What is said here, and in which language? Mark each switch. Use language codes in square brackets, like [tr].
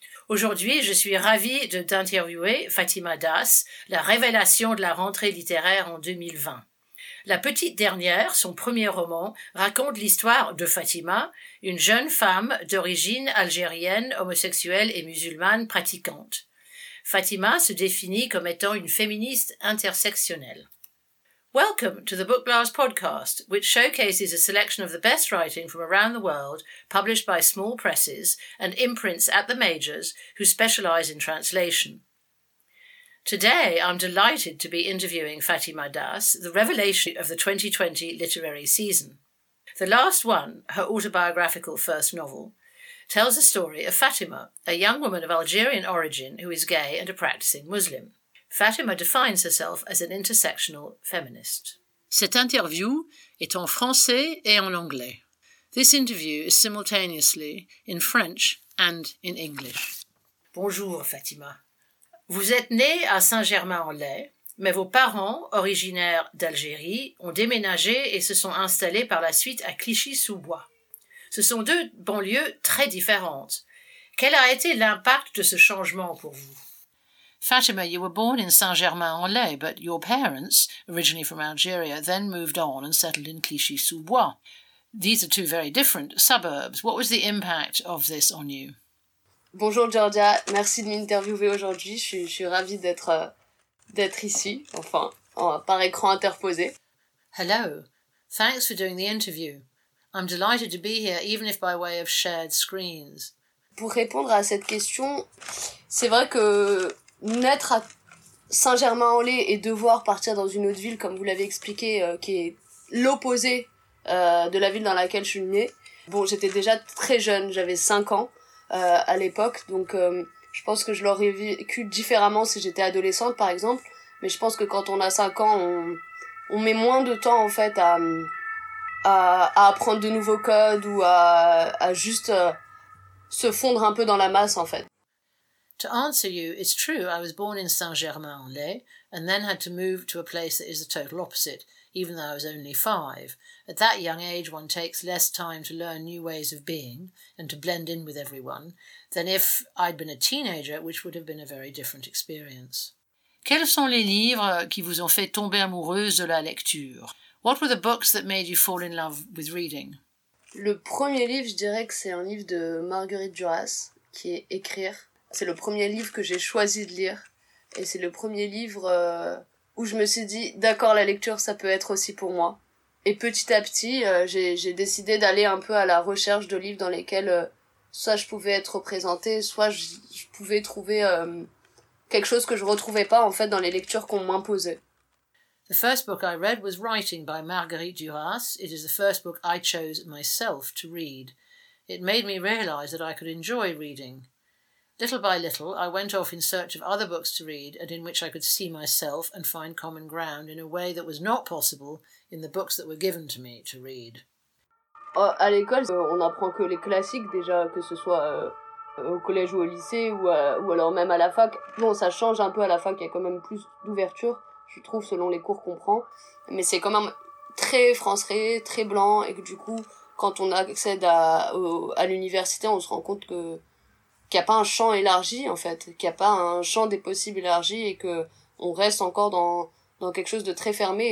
[fr] Aujourd'hui, je suis ravie d'interviewer Fatima Das, la révélation de la rentrée littéraire en 2020. La petite dernière, son premier roman, raconte l'histoire de Fatima, une jeune femme d'origine algérienne, homosexuelle et musulmane pratiquante. Fatima se définit comme étant une féministe intersectionnelle. [en] Welcome to the Bookblast podcast, which showcases a selection of the best writing from around the world, published by small presses and imprints at the majors who specialize in translation. Today, I'm delighted to be interviewing Fatima Das, the revelation of the 2020 literary season. The last one, her autobiographical first novel, tells the story of Fatima, a young woman of Algerian origin who is gay and a practicing Muslim. Fatima defines herself as an intersectional feminist. [fr] Cette interview est en français et en anglais. [en] This interview is simultaneously in French and in English. [fr] Bonjour, Fatima. Vous êtes née à Saint-Germain-en-Laye, mais vos parents, originaires d'Algérie, ont déménagé et se sont installés par la suite à Clichy-sous-Bois. Ce sont deux banlieues très différentes. Quel a été l'impact de ce changement pour vous? [en] Fatima, you were born in Saint-Germain-en-Laye, but your parents, originally from Algeria, then moved on and settled in Clichy-sous-Bois. These are two very different suburbs. What was the impact of this on you? [fr] Bonjour Georgia, merci de m'interviewer aujourd'hui. Je suis ravie d'être ici, enfin, par écran interposé. [en] Hello, thanks for doing the interview. I'm delighted to be here, even if by way of shared screens. [fr] Pour répondre à cette question, c'est vrai que naître à Saint-Germain-en-Laye et devoir partir dans une autre ville, comme vous l'avez expliqué, qui est l'opposé de la ville dans laquelle je suis née. Bon, j'étais déjà très jeune, j'avais 5 ans. À l'époque, donc je pense que je l'aurais vécu différemment si j'étais adolescente par exemple, mais je pense que quand on a 5 ans, on met moins de temps en fait à apprendre de nouveaux codes ou à juste se fondre un peu dans la masse en fait. [en] To answer you, it's true, I was born in Saint-Germain-en-Laye and then had to move to a place that is the total opposite, even though I was only 5. At that young age, one takes less time to learn new ways of being and to blend in with everyone than if I'd been a teenager, which would have been a very different experience. [fr] Quels sont les livres qui vous ont fait tomber amoureuse de la lecture? [en] What were the books that made you fall in love with reading? [fr] Le premier livre, je dirais que c'est un livre de Marguerite Duras, qui est Écrire. C'est le premier livre que j'ai choisi de lire. Et c'est le premier livre où je me suis dit, d'accord, la lecture, ça peut être aussi pour moi. Et petit à petit, j'ai décidé d'aller un peu à la recherche de livres dans lesquels soit je pouvais être représentée, soit je pouvais trouver quelque chose que je retrouvais pas en fait dans les lectures qu'on m'imposait. [en] The first book I read was Writing by Marguerite Duras. It is the first book I chose myself to read. It made me realize that I could enjoy reading. Little by little, I went off in search of other books to read and in which I could see myself and find common ground in a way that was not possible in the books that were given to me to read. [fr] À l'école, on apprend que les classiques déjà, que ce soit au collège ou au lycée ou alors même à la fac. Bon, ça change un peu à la fac, il y a quand même plus d'ouverture, je trouve, selon les cours qu'on prend. Mais c'est quand même très français, très blanc, et que du coup, quand on accède à l'université, on se rend compte que qu'il n'y a pas un champ élargi, en fait, qu'il n'y a pas un champ des possibles élargi et qu'on reste encore dans quelque chose de très fermé.